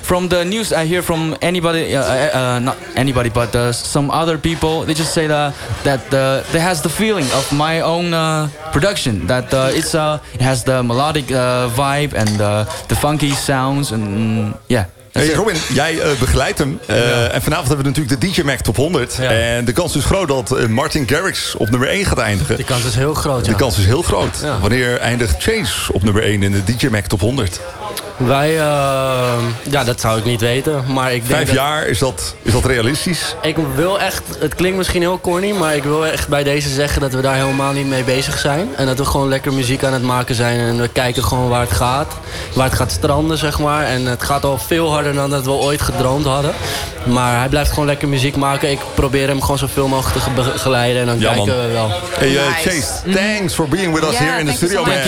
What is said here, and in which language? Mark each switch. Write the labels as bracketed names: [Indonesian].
[English] From the news I hear from anybody, not anybody, but some other people, they just say that they has the feeling of my own production, that it has the melodic vibe and the funky sounds and yeah. [Dutch] Hey Robin, jij begeleidt hem. En vanavond hebben we natuurlijk de DJ Mag Top 100. Ja. En de kans is groot dat Martin Garrix op nummer 1 gaat eindigen. De kans is heel groot, De kans is heel groot. Ja. Wanneer eindigt Chase op nummer 1 in de DJ Mag Top 100? Wij, dat zou ik niet weten. Maar ik denk Vijf jaar, is dat realistisch? Ik wil echt, het klinkt misschien heel corny, maar ik wil echt bij deze zeggen dat we daar helemaal niet mee bezig zijn. En dat we gewoon lekker muziek aan het maken zijn en we kijken gewoon waar het gaat. Waar het gaat stranden, zeg maar. En het gaat al veel harder dan dat we ooit gedroomd hadden. Maar hij blijft gewoon lekker muziek maken. Ik probeer hem gewoon zoveel mogelijk te begeleiden en dan kijken we wel. [English] Hey, nice. Chase, thanks for being with us here in the studio, man.